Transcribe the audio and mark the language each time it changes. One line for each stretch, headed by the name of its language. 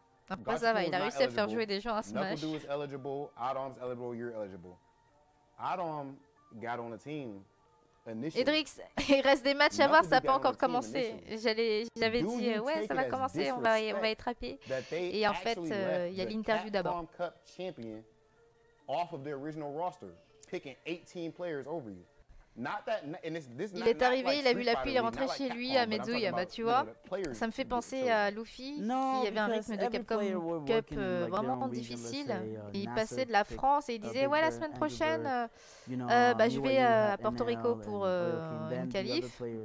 French: Après ça va, il a réussi à faire jouer des gens à Smash.
English: Knuckle Dude is eligible, Adam is eligible, you're eligible. Adam got on the team.
French: Edrix, il reste des matchs à voir, ça n'a pas encore commencé. J'avais dit, ouais, ça va commencer, on va être rapé. Et en fait, il y a l'interview d'abord.
English: Cup champion off of their original roster, picking 18 players over you.
French: Il est arrivé, il a vu la pluie, il est rentré chez lui à Mezuya, bah tu vois. Ça me fait penser à Luffy qui avait un rythme de Capcom Cup vraiment difficile. Et il passait de la France et il disait ouais, la semaine prochaine je vais à Porto Rico pour une qualif.